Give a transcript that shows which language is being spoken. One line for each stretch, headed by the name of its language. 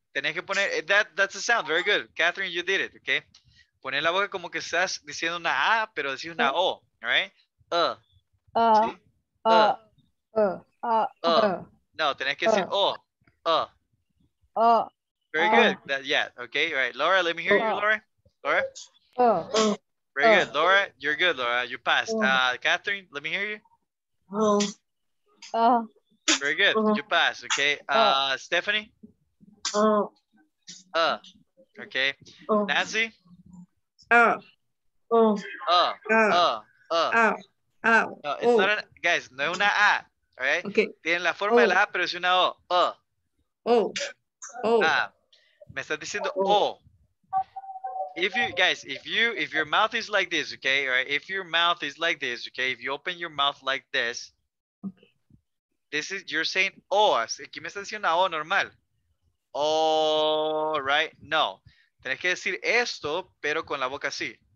Spanish: Tenés que poner,
English: that's a sound, very good. Catherine, you did it, okay?
Spanish: Poner la boca como que estás diciendo una A, pero decís una O,
English: all right?
Spanish: No, tenés que decir O.
English: Very good. That, yeah. Okay. All right. Laura, let me hear you, Laura. Laura? Oh. Very good. Laura, you're good, Laura. You passed. Catherine, let me hear you. Oh. Oh. Very good. You passed. Okay. Stephanie? Oh. Okay. Nancy? It's not an, guys,
Spanish: no una A,
English: all right? Okay.
Spanish: Tienen la forma de la A, pero es una O. Me estás diciendo O.
English: If you, guys, if your mouth is like this, okay, all right? If your mouth is like this, okay, if you open your mouth like this, this is, you're saying O.
Spanish: Aquí me estás diciendo una O normal.
English: Oh, right?
Spanish: No. Tienes que decir esto, pero con la boca así.